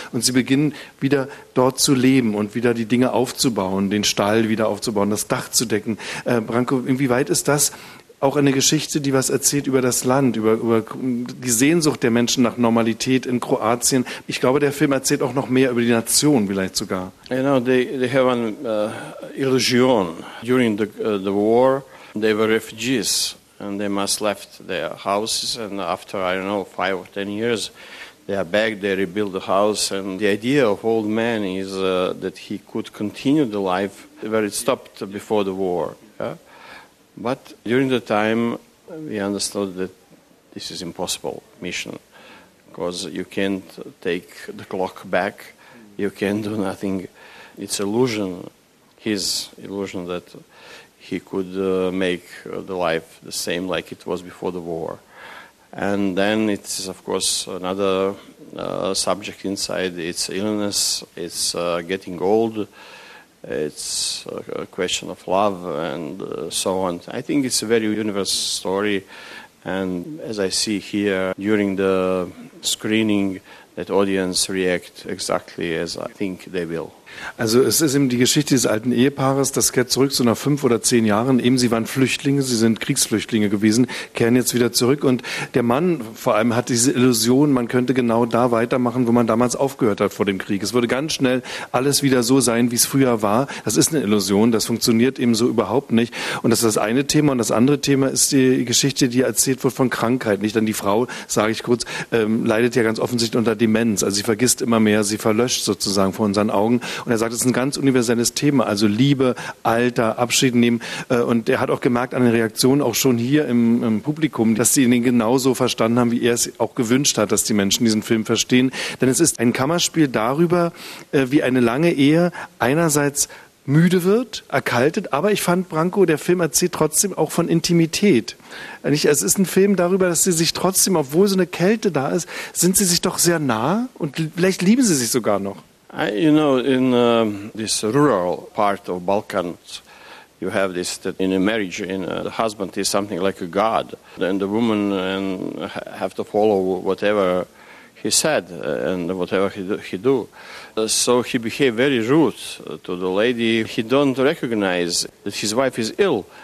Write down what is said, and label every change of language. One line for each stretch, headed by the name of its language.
German: Und sie beginnen wieder dort zu leben und wieder die Dinge aufzubauen, den Stall wieder aufzubauen, das Dach zu decken. Branko, inwieweit ist das auch eine Geschichte, die was erzählt über das Land, über die Sehnsucht der Menschen nach Normalität in Kroatien? Ich glaube, der Film erzählt auch noch mehr über die Nation vielleicht sogar.
English: You know, they have an illusion. During the war, they were refugees and they must left their houses and after, I don't know, 5 or 10 years, they are back, they rebuild the house and the idea of old man is that he could continue the life where it stopped before the war. Yeah? But during the time, we understood that this is impossible mission because you can't take the clock back. You can't do nothing. It's illusion, his illusion, that he could make the life the same like it was before the war. And then it's, of course, another subject inside. It's illness. It's getting old. It's a question of love and so on. I think it's a very universal story. And as I see here during the screening, that audience react exactly as I think they will.
German: Also es ist eben die Geschichte des alten Ehepaares, das kehrt zurück so nach 5 oder 10 Jahren. Eben, sie waren Flüchtlinge, sie sind Kriegsflüchtlinge gewesen, kehren jetzt wieder zurück. Und der Mann vor allem hat diese Illusion, man könnte genau da weitermachen, wo man damals aufgehört hat vor dem Krieg. Es würde ganz schnell alles wieder so sein, wie es früher war. Das ist eine Illusion, das funktioniert eben so überhaupt nicht. Und das ist das eine Thema. Und das andere Thema ist die Geschichte, die erzählt wird von Krankheit. Nicht? Dann die Frau, sage ich kurz, leidet ja ganz offensichtlich unter Demenz. Also sie vergisst immer mehr, sie verlöscht sozusagen vor unseren Augen. Und er sagt, es ist ein ganz universelles Thema, also Liebe, Alter, Abschied nehmen. Und er hat auch gemerkt an den Reaktionen auch schon hier im Publikum, dass sie ihn genauso verstanden haben, wie er es auch gewünscht hat, dass die Menschen diesen Film verstehen. Denn es ist ein Kammerspiel darüber, wie eine lange Ehe einerseits müde wird, erkaltet, aber ich fand, Branko, der Film erzählt trotzdem auch von Intimität. Es ist ein Film darüber, dass sie sich trotzdem, obwohl so eine Kälte da ist, sind sie sich doch sehr nah und vielleicht lieben sie sich sogar noch.
English: In this rural part of Balkans, you have this, that in a marriage, the husband is something like a god, and the woman have to follow whatever he said and whatever he do. So he behaved very rude to the lady. He don't recognize that his wife is ill.